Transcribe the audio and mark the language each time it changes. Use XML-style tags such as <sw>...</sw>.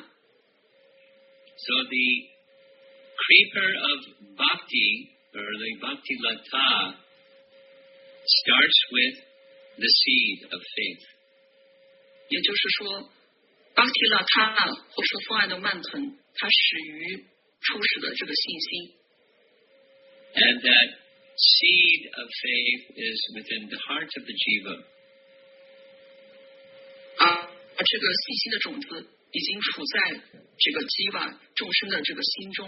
<en>So the creeper of bhakti or the bhakti lata starts with the seed of faith.</en> <zh>也就是说 ，bhakti lata 或是分爱的蔓藤。它始于初始的这个信心。</zh> <en>And that seed of faith is within the heart of the jiva.</en> <zh>这个信心的种子已经处在这个 jiva 众生的这个心中。</zh>